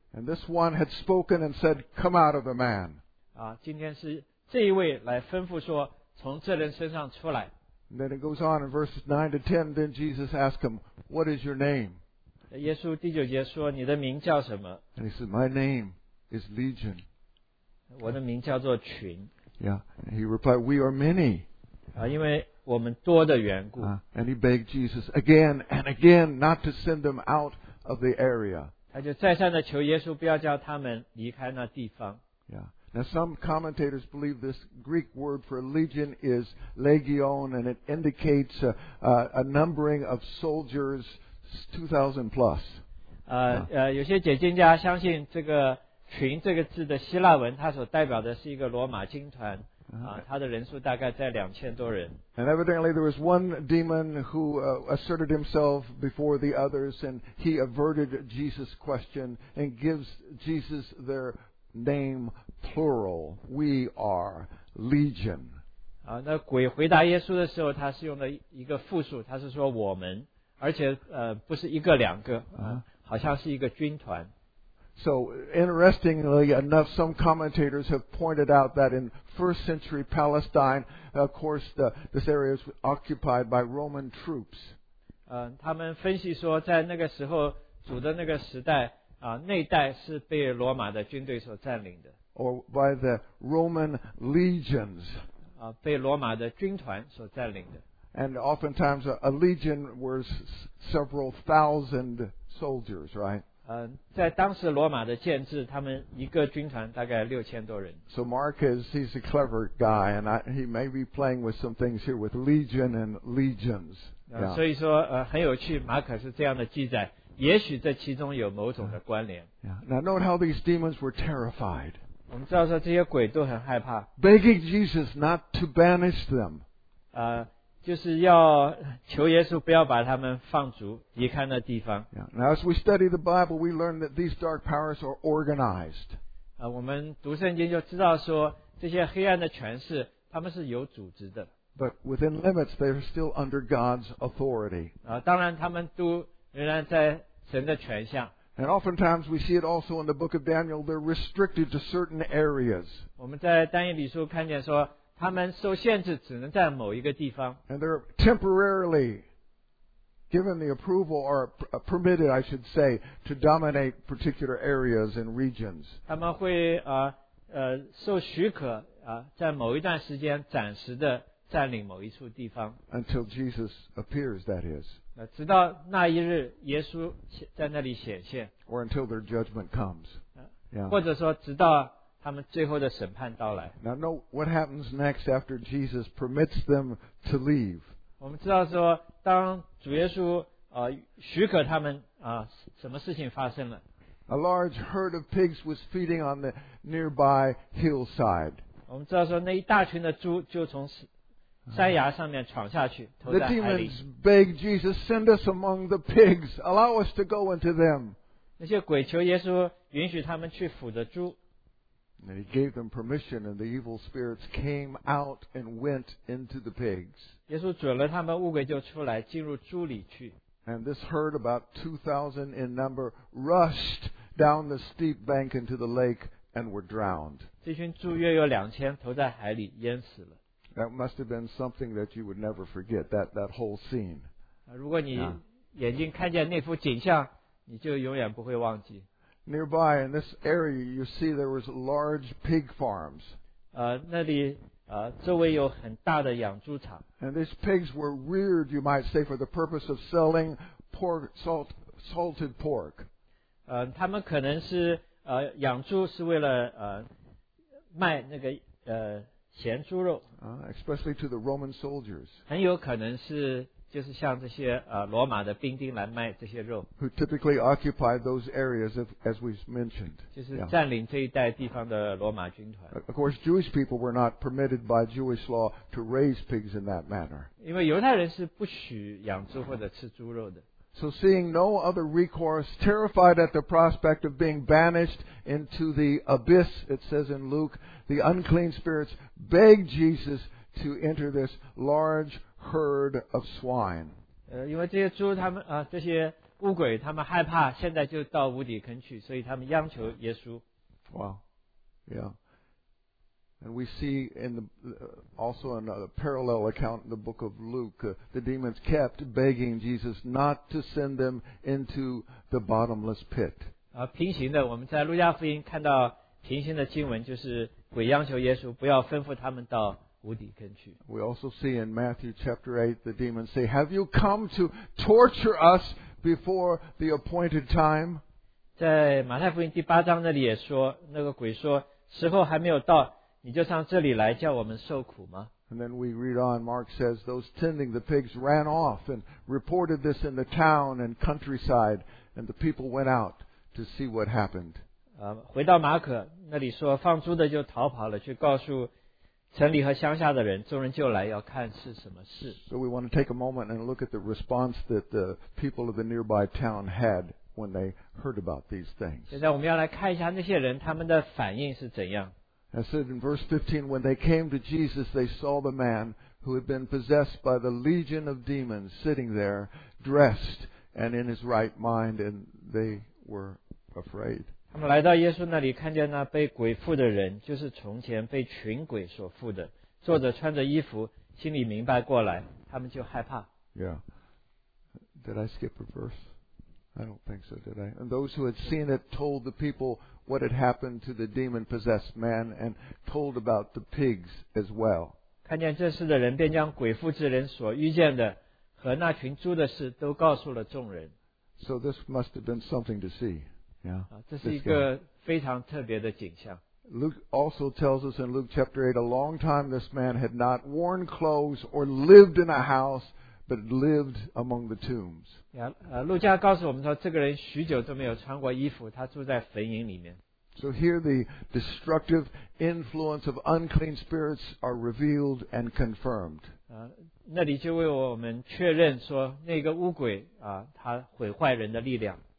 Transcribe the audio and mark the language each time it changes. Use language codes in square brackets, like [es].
[en] And this one had spoken and said, Come out of the man. [zh] 今天是这一位来吩咐说，从这人身上出来。 [en] And then it goes on in verses 9 to 10, then Jesus asked him, What is your name? [zh] 耶稣第九节说，你的名叫什么？ [en] And he said, My name is Legion. [zh] 我的名叫做群。 [en] Yeah, and he replied, We are many. [zh] 因为我们多的缘故。 [en] And he begged Jesus again and again not to send them out of the area. [zh] 他就再三的求耶稣不要叫他们离开那地方。 [en] Yeah. Now some commentators believe this Greek word for legion is legion, and it indicates a numbering of soldiers 2,000 plus. [zh] 有些解经家相信这个群这个字的希腊文，它所代表的是一个罗马军团。他的人数大概在2000多人。 [en] And evidently there was one demon who asserted himself before the others, and he averted Jesus' question and gives Jesus their name plural. We are legion. [zh] 那鬼回答耶稣的时候，他是用了一个复数，他是说我们，而且不是一个两个，好像是一个军团。 [en] So, interestingly enough, some commentators have pointed out that in first century Palestine, of course, this area was occupied by Roman troops. [zh] 他们分析说在那个时候，主的那个时代，那带是被罗马的军队所占领的。 [en] Or by the Roman legions. [zh] 被罗马的军团所占领的。 [en] And oftentimes a legion was several thousand soldiers, right? [zh] 在当时罗马的建制，他们一个军团大概6000多人。 [en] So Mark he's a clever guy, and he may be playing with some things here with legion and legions. Yeah. [zh] 所以说很有趣，马可是这样的记载，也许这其中有某种的关联。 [en] Yeah. Now note how these demons were terrified. [zh] 我们知道说这些鬼都很害怕。 [en] Begging Jesus not to banish them. [zh] 就是要求耶稣不要把他们放逐离开那地方。 [en] Yeah. Now, as we study the Bible, we learn that these dark powers are organized. [zh] 我们读圣经就知道说这些黑暗的权势他们是有组织的。 [en] But within limits, they are still under God's authority. [zh] 当然他们都仍然在神的权下。 [en] And oftentimes we see it also in the book of Daniel, they're restricted to certain areas. [zh] 我们在但以理书看见说他们受限制只能在某一个地方。 [en] And they're temporarily given the approval or permitted, I should say, to dominate particular areas and regions. [zh] 他们会受许可在某一段时间暂时的占领某一处地方。 [en] Until Jesus appears, that is. [zh] 直到那一日耶稣在那里显现。 [en] Or until their judgment comes. Yeah. [zh] 或者说直到他们最后的审判到来。 [en] Now note what happens next after Jesus permits them to leave. [zh] 我们知道说当主耶稣许可他们什么事情发生了。 [en] A large herd of pigs was feeding on the nearby hillside. [zh] 我们知道说那一大群的猪就从山崖上面闯下去投在海里。 [en] The demons begged Jesus, send us among the pigs. Allow us to go into them. [zh] 那些鬼求耶稣允许他们去抚着猪。 [en] And he gave them permission, and the evil spirits came out and went into the pigs. [zh] 耶稣准了他们，乌鬼就出来，进入猪里去。 [en] And this herd, about 2,000 in number, rushed down the steep bank into the lake and were drowned. [zh] 这群猪约有2000，投在海里淹死了。 [en] That must have been something that you would never forget. That whole scene. [zh] 如果你眼睛看见那幅景象，你就永远不会忘记。 [en] Nearby in this area, you see there was large pig farms. [zh] 那里周围有很大的养猪场。 [en] And these pigs were reared, you might say, for the purpose of selling pork salted pork. [zh] 他们可能是养猪是为了卖那个咸猪肉。 [en] Especially to the Roman soldiers. [zh] 很有可能是。就是像这些罗马的兵丁来卖这些肉。 [en] Who typically occupied those areas as we've mentioned. [zh] 就是占领这一带地方的罗马军团。 [en] Of course, Jewish people were not permitted by Jewish law to raise pigs in that manner. [zh] 因为犹太人是不许养猪或者吃猪肉的。 [en] So seeing no other recourse, terrified at the prospect of being banished into the abyss, it says in Luke, the unclean spirits begged Jesus to enter this large herd of swine. [zh] 因为这些猪他们这些乌鬼他们害怕现在就到无底坑去，所以他们央求耶稣。 [en] Wow. Yeah. And we see in the, also in a parallel account in the book of Luke, the demons kept begging Jesus not to send them into the bottomless pit. [zh] 平行的我们在路加福音看到平行的经文，就是鬼央求耶稣不要吩咐他们到谷底跟去。 [en] We also see in Matthew chapter 8, the demons say, Have you come to torture us before the appointed time? [zh] 在马太福音第八章那里也说，那个鬼说，时候还没有到，你就上这里来叫我们受苦吗？ [en] And then we read on, Mark says, those tending the pigs ran off and reported this in the town and countryside, and the people went out to see what happened. [zh] 回到马可那里说，放猪的就逃跑了，去告诉城里和乡下的人，众人就来要看是什么事。 [en] So we want to take a moment and look at the response that the people of the nearby town had when they heard about these things. [zh] 现在我们要来看一下那些人他们的反应是怎样。 [en] I said in verse 15, when they came to Jesus, they saw the man who had been possessed by the legion of demons sitting there, dressed and in his right mind, and they were afraid. [zh] 他们来到耶稣那里，看见那被鬼附的人，就是从前被群鬼所附的，坐着穿着衣服，心里明白过来，他们就害怕。 [en] Yeah. Did I skip a verse? I don't think so, did I? And those who had seen it told the people,What had happened to the demon-possessed man and told about the pigs as well. [zh] 看见这事的人便将鬼附之人所遇见的和那群猪的事都告诉了众人。 [en] So this must have been something to see. Yeah, [zh] 这是一个非常特别的景象。 [en] Luke also tells us in Luke chapter 8, a long time this man had not worn clothes or lived in a house, but lived among the tombs. [zh] 路加告诉我们说这个人许久都没有穿过衣服他住在坟营里面。 [en] So here the destructive influence of unclean spirits are revealed and confirmed. [zh] 那里就为我们确认说那个巫鬼他毁坏人的力量。